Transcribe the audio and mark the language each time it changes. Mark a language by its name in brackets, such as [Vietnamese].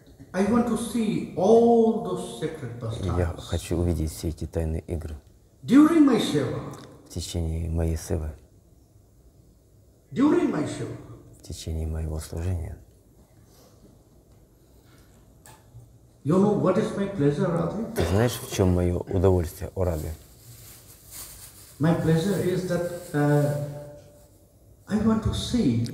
[English] I want to see all those sacred pastimes. [Russian] Я хочу увидеть все эти тайные игры. [English] During my seva. [Russian] В течение моей севы. [English] During my show. [Russian] В течение моего служения. [English] You know what is my pleasure, Radhe? [Russian] Ты знаешь, в чем мое удовольствие, о Радхе? [English] My pleasure is that I want to see.